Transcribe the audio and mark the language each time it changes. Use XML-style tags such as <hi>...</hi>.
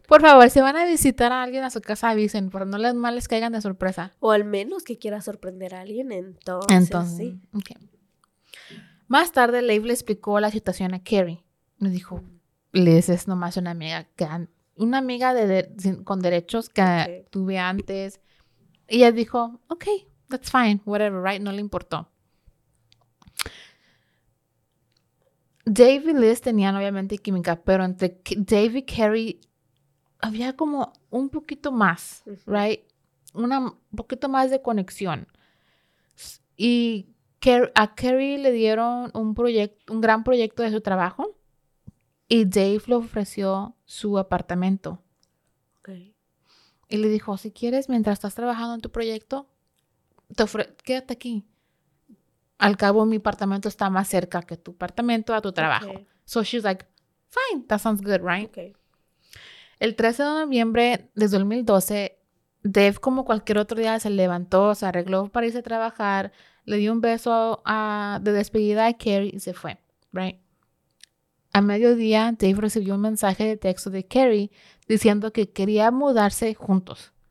<es>Por favor, si van a visitar a alguien a su casa, avisen, pero no les males que caigan de sorpresa. O al menos que quiera sorprender a alguien, entonces sí.</es> <en>Okay.</en> <es>Más tarde, Leif le explicó la situación a Carrie. Me dijo, Liz es nomás una amiga que... una amiga con derechos que tuve antes. Y ella dijo, ok,</es> <en>that's fine, whatever, right?</en> <es>No le importó. Dave y Liz tenían obviamente química, pero entre Dave y Carrie había como un poquito más, right? Un poquito más de conexión. Y a Carrie le dieron un gran proyecto de su trabajo. Y Dave le ofreció su apartamento. Okay. Y le dijo, si quieres, mientras estás trabajando en tu proyecto, quédate aquí. Al cabo, mi apartamento está más cerca que tu apartamento a tu trabajo.</es> <en>Okay. So she's like, fine, that sounds good, right? Okay.</en> <es>El 13 de noviembre de 2012, Dave, como cualquier otro día, se levantó, se arregló para irse a trabajar, le dio un beso de despedida a Carrie y se fue, right? A mediodía, Dave recibió un mensaje de texto de Carrie diciendo que quería mudarse juntos.</es>